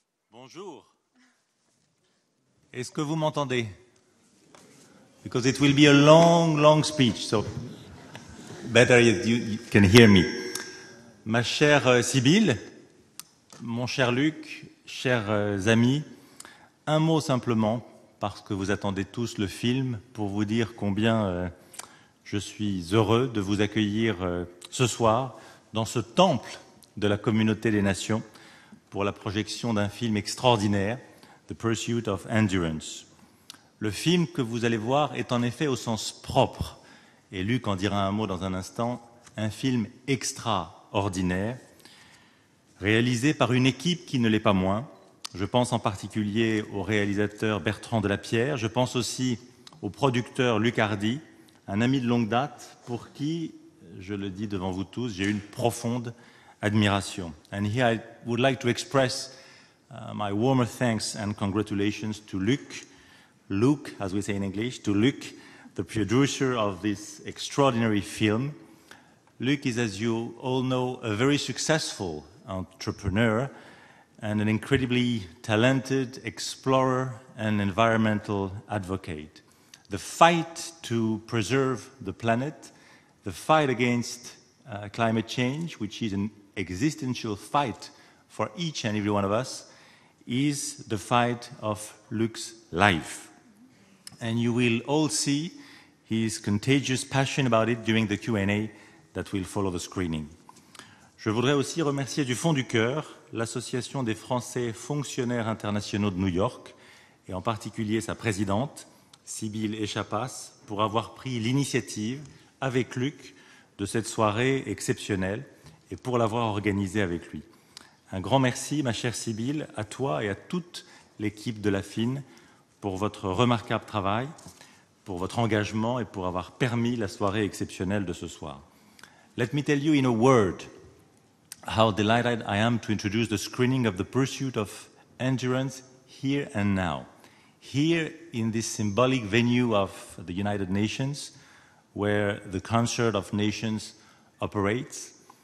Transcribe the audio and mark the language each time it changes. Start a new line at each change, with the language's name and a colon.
French: Bonjour. Est-ce que vous m'entendez?
English: Because it will be a long, long speech, so better if you can hear me.
French: Ma chère Sibylle, mon cher Luc, chers amis, un mot simplement, parce que vous attendez tous le film, pour vous dire combien je suis heureux de vous accueillir ce soir dans ce temple de la communauté des nations, pour la projection d'un film extraordinaire, The Pursuit of Endurance. Le film que vous allez voir est en effet au sens propre, et Luc en dira un mot dans un instant, un film extraordinaire, réalisé par une équipe qui ne l'est pas moins. Je pense en particulier au réalisateur Bertrand Delapierre, je pense aussi au producteur Luc Hardy, un ami de longue date pour qui, je le dis devant vous tous, j'ai une profonde admiration.
English: And here I would like to express my warmer thanks and congratulations to Luc, as we say in English, to Luc, the producer of this extraordinary film. Luc is, as you all know, a very successful entrepreneur and an incredibly talented explorer and environmental advocate. The fight to preserve the planet, the fight against climate change, which is an existential fight for each and every one of us, is the fight of Luc's life. And you will all see his contagious passion about it during the Q&A that will follow the screening.
French: Je voudrais aussi remercier du fond du cœur l'Association des Français Fonctionnaires Internationaux de New York, et en particulier sa présidente, Sibylle Eschapasse, pour avoir pris l'initiative avec Luc de cette soirée exceptionnelle et pour l'avoir organisée avec lui. Un grand merci, ma chère Sibylle, à toi et à toute l'équipe de la FIN pour votre remarquable travail, pour votre engagement et pour avoir permis la soirée exceptionnelle de ce soir.
English: Let me tell you in a word how delighted I am to introduce the screening of the Pursuit of Endurance here and now. Here in this symbolic venue of the United Nations, where the Concert of Nations operates.